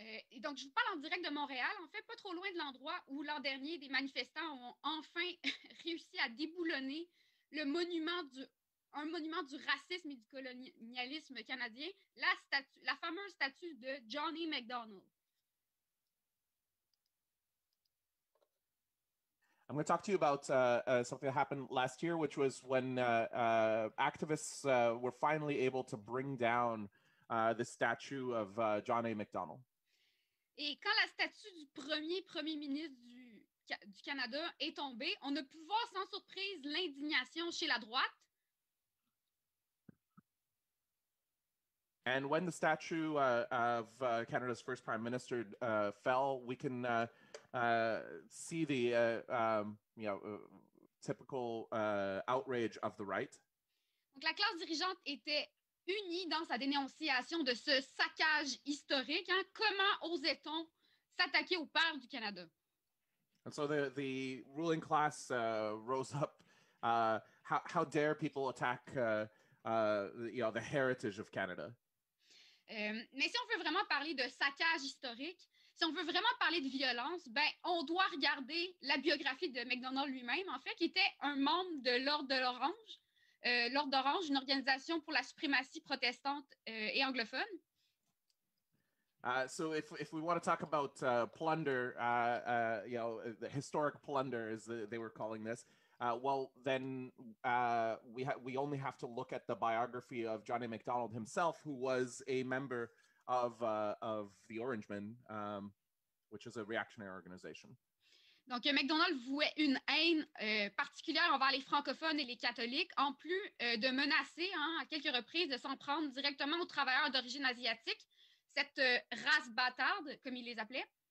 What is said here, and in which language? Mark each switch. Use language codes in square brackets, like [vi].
[fr] Et donc, je vous parle en direct de Montréal, en fait, pas trop loin de l'endroit où l'an dernier, des manifestants ont enfin réussi à déboulonner un monument du racisme et du colonialisme canadien, la fameuse statue de Johnny McDonald. [en] I'm going to talk to you about something that happened last year, which was when activists were finally able to bring down the statue of John A. McDonnell. [fr] Et quand la statue du premier ministre du Canada est tombée, on a pu voir sans surprise l'indignation chez la droite. [en] And when the statue of Canada's first prime minister fell, we can see the typical outrage of the right. [fr] Donc la classe dirigeante était unie dans sa dénonciation de ce saccage historique. Hein? Comment osait-on s'attaquer au père du Canada? [en] And so the ruling class rose up. How dare people attack the heritage of Canada? [fr] Mais si on veut vraiment parler de saccage historique, si on veut vraiment parler de violence, ben on doit regarder la biographie de McDonald lui-même, en fait, qui était un membre de l'Ordre de l'Orange. L'Ordre d'Orange, une organisation pour la suprématie protestante et anglophone. [en] So if we want to talk about plunder, the historic plunder, as they were calling this, we only have to look at the biography of Johnny McDonald himself, who was a member of the Orangemen, which is a reactionary organization. [fr] Donc, McDonald vouait une haine particulière envers les francophones et les catholiques, en plus de menacer, hein, à quelques reprises, de s'en prendre directement aux travailleurs d'origine asiatique, cette race bâtarde, comme il les appelait.